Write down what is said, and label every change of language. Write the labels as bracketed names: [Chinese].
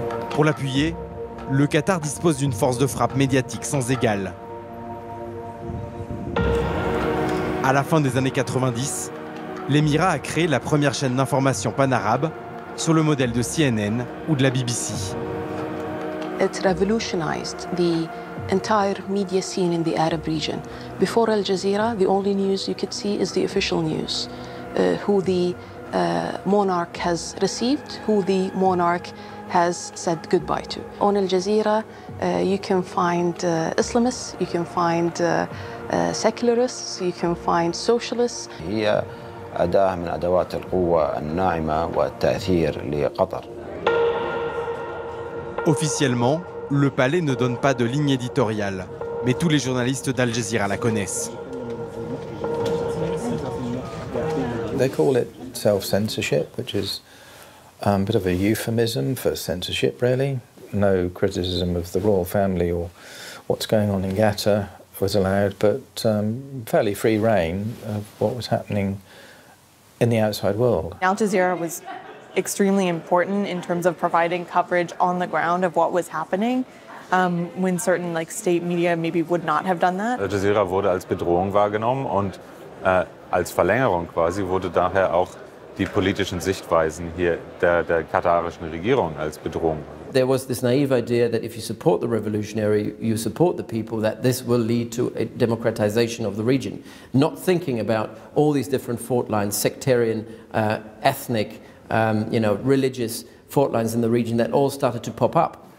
[French] Pour l'appuyer, le Qatar dispose d'une force de frappe médiatique sans égale. À la fin des années 90, l'émirat a créé la première chaîne d'information pan-arabe sur le modèle de CNN ou de la BBC. [English] It revolutionized the entire media scene in the Arab region. Before Al Jazeera, the only news you could see is the official news, who the monarch has received, who the monarch has said goodbye to. On Al Jazeera, you can find Islamists, you can find secularists, you can find socialists. [Arabic] هي أداة من أدوات القوة الناعمة والتأثير لقطر. [French] Officiellement, le palais ne donne pas de ligne éditoriale, mais tous les journalistes d'Al Jazeera la connaissent. [English] They call it self-censorship, which is a bit of a euphemism for censorship, really. No criticism of the royal family or what's going on in Qatar was allowed, but fairly free rein of what was happening in the outside world. Al Jazeera was extremely important in terms of providing coverage on the ground of what was happening, when certain like state media maybe would not have done that. [German] Al Jazeera wurde als Bedrohung wahrgenommen und als Verlängerung quasi wurde daher auch die politischen Sichtweisen hier der katarischen Regierung als Bedrohung. [English] There was this naive idea that if you support the revolutionary, you support the people, that this will lead to a democratization of the region. Not thinking about all these different fault lines, sectarian, ethnic, religious fault lines in the region that all started to pop up.